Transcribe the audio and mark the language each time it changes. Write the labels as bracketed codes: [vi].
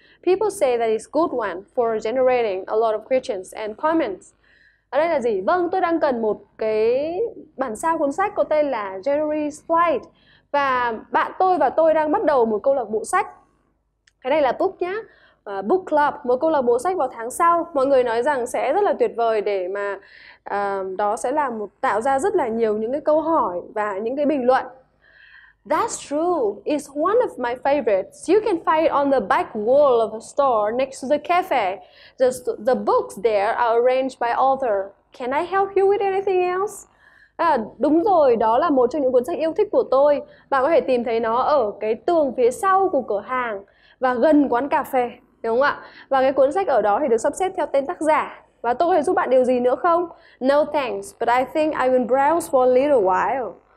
[en] People say that it's a good one for generating a lot of questions and comments. [vi] Ở đây là gì? Vâng, tôi đang cần một cái bản sao cuốn sách có tên là January's Flight. Và bạn tôi và tôi đang bắt đầu một câu lạc bộ sách. Cái này là book nhá. Book club, một câu lạc bộ sách vào tháng sau. Mọi người nói rằng sẽ rất là tuyệt vời để mà đó sẽ là một tạo ra rất là nhiều những cái câu hỏi và những cái bình luận. [en] That's true. It's one of my favorites. You can find it on the back wall of a store next to the cafe. The books there are arranged by author. Can I help you with anything else? [vi] À, đúng rồi, đó là một trong những cuốn sách yêu thích của tôi. Bạn có thể tìm thấy nó ở cái tường phía sau của cửa hàng và gần quán cà phê, đúng không ạ? Và cái cuốn sách ở đó thì được sắp xếp theo tên tác giả. Và tôi có thể giúp bạn điều gì nữa không? [en] No thanks, but I think I will browse for a little while.